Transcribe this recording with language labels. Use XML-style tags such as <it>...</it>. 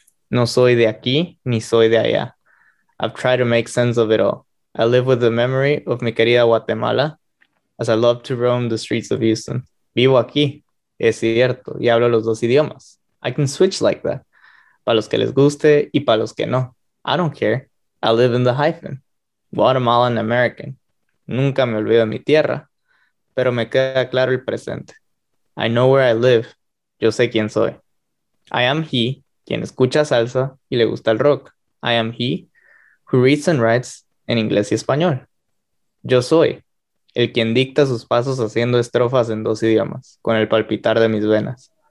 <es>No soy de aquí ni soy de allá.</es> <en>I've tried to make sense of it all. I live with the memory of</en> <es>mi querida</es> <en>Guatemala, as I love to roam the streets of Houston.</en> <es>Vivo aquí, es cierto, y hablo los dos idiomas.</es> <en>I can switch like that,</en> <es>para los que les guste y para los que no.</es> <en>I don't care, I live in the hyphen, Guatemalan American.</en> <es>Nunca me olvido de mi tierra, pero me queda claro el presente.</es> <en>I know where I live,</en> <es>yo sé quién soy.</es> <en>I am he,</en> <es>quien escucha salsa y le gusta el rock.</es> <en>I am he, who reads and writes</en> <es>en inglés y español. Yo soy el quien dicta sus pasos haciendo estrofas en dos idiomas, con el palpitar de mis venas.</es>